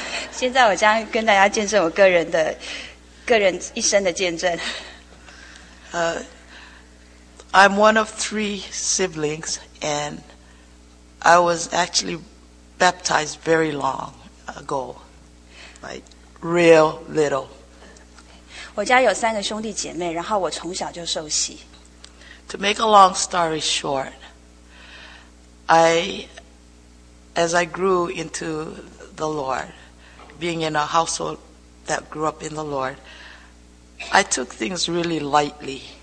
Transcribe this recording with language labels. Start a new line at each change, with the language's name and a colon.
Chinese: 现在我将跟大家见证我个人一生的见证。
English: I'm one of three siblings, and I was actually baptized very long ago, like real little.
Chinese: 我家有三个兄弟姐妹，然后我从小就受洗。
English: To make a long story short, as I grew into the Lord, being in a household that grew up in the Lord, I took things really lightly.